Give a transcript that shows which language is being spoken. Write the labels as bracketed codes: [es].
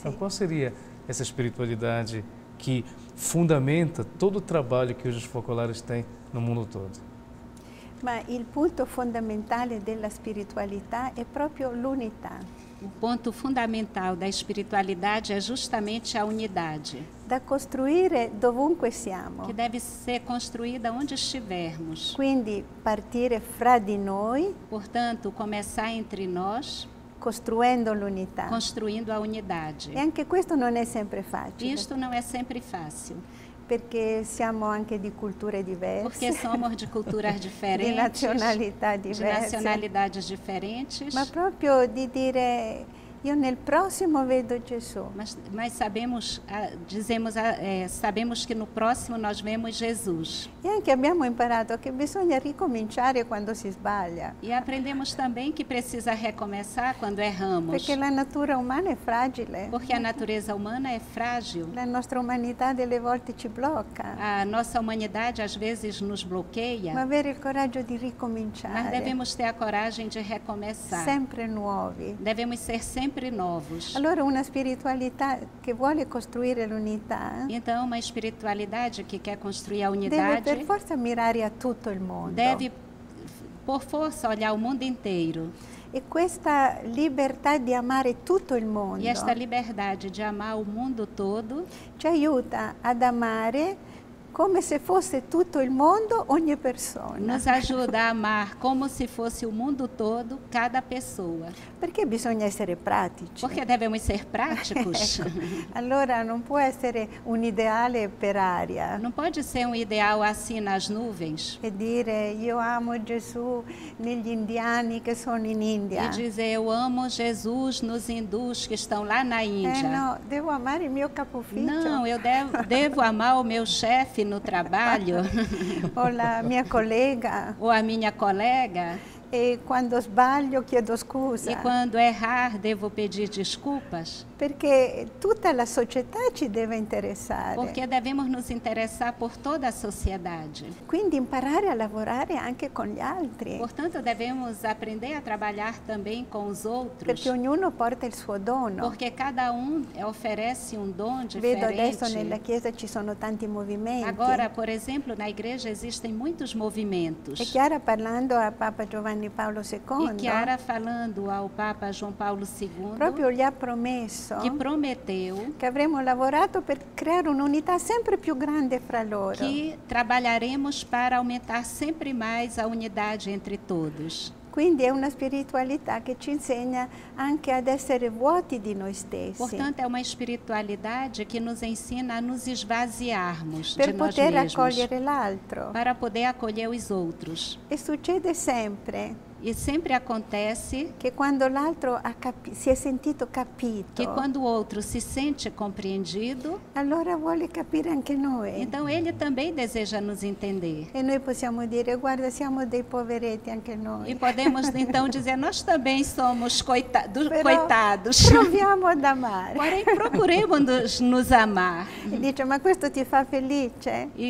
[pt] Então qual seria essa espiritualidade que fundamenta todo o trabalho que hoje os focolares têm no mundo todo? Mas o ponto fundamental da espiritualidade é [it] proprio l'unità. [pt] O ponto fundamental da espiritualidade é justamente a unidade. [it] Da costruire dovunque siamo. [pt] Que deve ser construída onde estivermos. [it] Quindi partire fra di noi. [pt] Portanto, começar entre nós. [it] construindo l'unità. [pt] Construindo a unidade. [it] E anche questo non è sempre facile. [pt] Isto não é sempre fácil. [it] Perché siamo anche di culture diverse. [pt] Porque somos de culturas diferentes. [it] Di nazionalità diverse. [pt] De nacionalidades diferentes. [it] Ma proprio di dire io nel prossimo vedo Gesù. [pt] Mas sabemos, dizemos, sabemos que no próximo nós vemos Jesus. [it] E anche abbiamo imparato che bisogna ricominciare quando si sbaglia. [pt] E aprendemos também que precisa recomeçar quando erramos. [it] Perché la natura umana è fragile. [pt] Porque a natureza humana é frágil. [it] La nostra umanità delle volte ci blocca. [pt] A nossa humanidade às vezes nos bloqueia. [it] Ma avere il coraggio di ricominciare. [pt] Mas devemos ter a coragem de recomeçar. [it] Sempre nuovi. [pt] Devemos ser sempre novos. [it] Allora una spiritualità che vuole costruire l'unità. [pt] Então uma espiritualidade que quer construir a unidade. [it] Deve per forza mirare a tutto il mondo. [pt] Deve por força olhar o mundo inteiro. [it] E questa libertà di amare tutto il mondo. [pt] E esta liberdade de amar o mundo todo [it] ci aiuta ad amare come se fosse tutto il mondo, ogni persona. [pt] Nos ajuda a amar como se fosse o mundo todo, cada pessoa. [it] Perché bisogna essere pratici. [pt] Porque devemos ser práticos. [it] Allora non può essere un ideale per aria. [pt] Não pode ser um ideal assim nas nuvens. [it] E dire io amo Gesù negli indiani che sono in India. [pt] E dizer eu amo Jesus nos hindus que estão lá na Índia. Não, devo amar [it] il mio capofitto. [pt] Não, eu devo amar o meu chefe no trabalho. Olá, minha colega. Ou a minha colega. [it] E quando sbaglio chiedo scusa. [pt] E quando errar devo pedir desculpas. [it] Perché tutta la società ci deve interessare. [pt] Porque devemos nos interessar por toda a sociedade. [it] Quindi imparare a lavorare anche con gli altri. [pt] Portanto devemos aprender a trabalhar também com os outros. [it] Perché ognuno porta il suo dono. [pt] Porque cada oferece un dono diferente. [it] Vedo adesso nella chiesa ci sono tanti movimenti. [pt] Agora, por exemplo, na igreja existem muitos movimentos. [it] E Chiara parlando a Papa Giovanni Paolo II. [pt] E Chiara falando ao Papa João Paulo II. [it] Proprio gli ha promesso. [pt] Que prometeu [it] que avremo lavorato per creare un'unità sempre più grande fra loro. [pt] Que trabalharemos para aumentar sempre mais a unidade entre todos. [it] Quindi è una spiritualità che ci insegna anche ad essere vuoti di noi stessi. [pt] Portanto, [it] è una spiritualità [pt] che nos ensina a nos esvaziarmos [it] per [pt] de [it] poter [pt] nós [it] accogliere l'altro. [pt] Para poder acolher os outros. [it] E succede sempre. [pt] E sempre acontece [it] que quando l'altro si è sentito capito, [pt] que quando o outro se sente compreendido, [it] allora vuole capire anche noi. [pt] Então ele também deseja nos entender. [it] E noi possiamo dire, guarda, siamo dei poveretti anche noi. [pt] E podemos então dizer, nós também somos coitados. [it] Proviamo ad amare. [pt] Porém, procuremos nos amar. [it] E dice, ma questo ti fa felice?